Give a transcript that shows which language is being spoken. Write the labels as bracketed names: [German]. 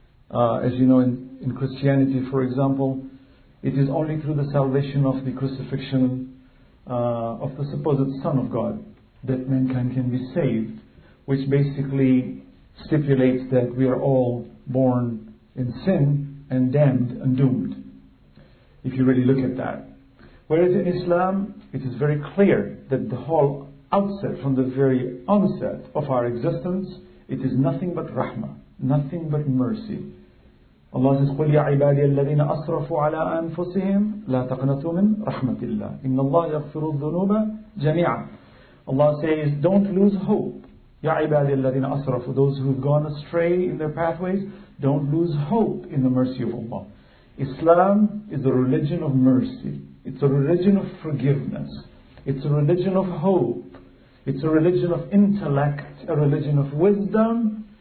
[English] As you know, in Christianity, for example, it is only through the salvation of the crucifixion of the supposed Son of God that mankind can be saved, which basically stipulates that we are all born in sin and damned and doomed, if you really look at that. Whereas in Islam, it is very clear that the whole outset, from the very onset of our existence, it is nothing but rahmah, nothing but mercy. [Arabic] Allah says, قُلْ يَا عِبَادِيَ الَّذِينَ أَصْرَفُوا عَلَىٰ أَنفُسِهِمْ لَا تَقْنَتُوا مِنْ رَحْمَةِ اللَّهِ إِنَّ اللَّهَ يَغْفِرُ الذُّنُوبَ جَمِيعًا. [English] Allah says, don't lose hope. [Arabic] Ya ibadi alladhina asrafu, [English] those who've gone astray in their pathways, don't lose hope in the mercy of Allah. Islam is a religion of mercy. It's a religion of forgiveness. It's a religion of hope. It's a religion of intellect, a religion of wisdom.